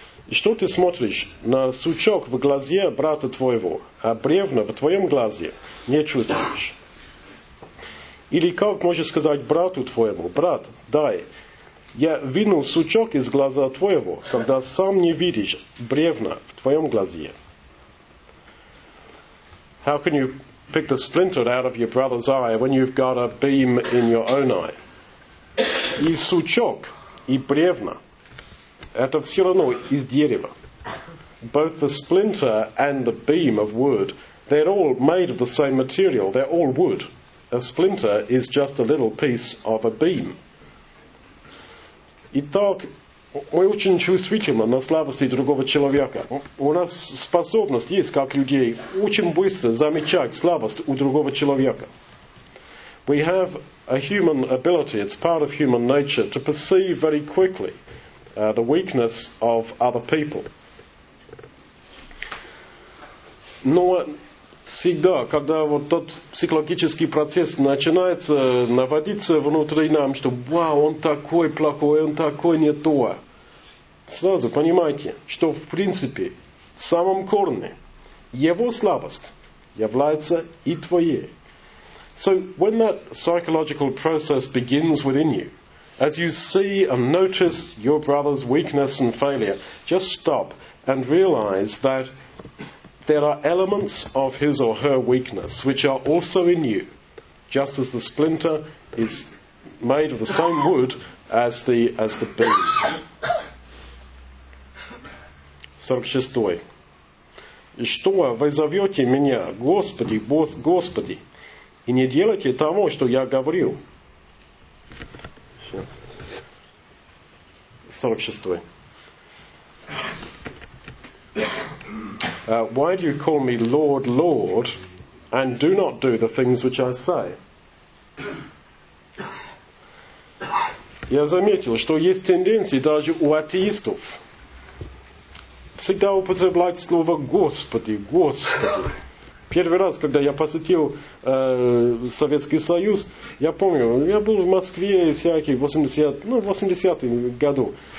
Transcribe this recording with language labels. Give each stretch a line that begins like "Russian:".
Russian: Что ты смотришь на сучок в глазе брата твоего, а бревно в твоем глазе не чувствуешь? Или как можешь сказать брату твоему, брат, дай... Я вину сучок из глаза твоего, когда сам не видишь бревна в твоем глазе.
English: How can you pick the splinter out of your brother's eye when you've got a beam in your own eye?
Russian: и сучок, и бревна. Это все равно из дерева.
English: Both the splinter and the beam of wood, they're all made of the same material. They're all wood. A splinter is just a little piece of a beam.
Russian: Итак, мы очень чувствительны на слабости другого человека. У нас способность есть, как людей, очень быстро замечать слабость у другого человека.
English: We have a human ability, it's part of human nature, to perceive very quickly the weakness of other people.
Russian: Но всегда, когда вот тот психологический процесс начинается наводиться внутри нам, что «Вау, он такой плохой, он такой не то», сразу понимаете, что в принципе, в самом корне, его слабость является и твоей.
English: So when that psychological process begins within you, as you see and notice your brother's weakness and failure, just stop and realize that there are elements of his or her weakness which are also in you, just as the splinter is made of the same wood as the beam.
Russian: 46. И что вы зовете меня, Господи, Господи, и не делайте того, что я говорил? 46.
English: Why do you call me Lord, Lord, and do not do the things which I say?
Russian: Я заметил, что есть тенденции даже у атеистов. Всегда употребляют слово «Господи, Господи». Первый раз, когда я посетил Советский Союз, я помню, я был в Москве всякий, 80-е годы.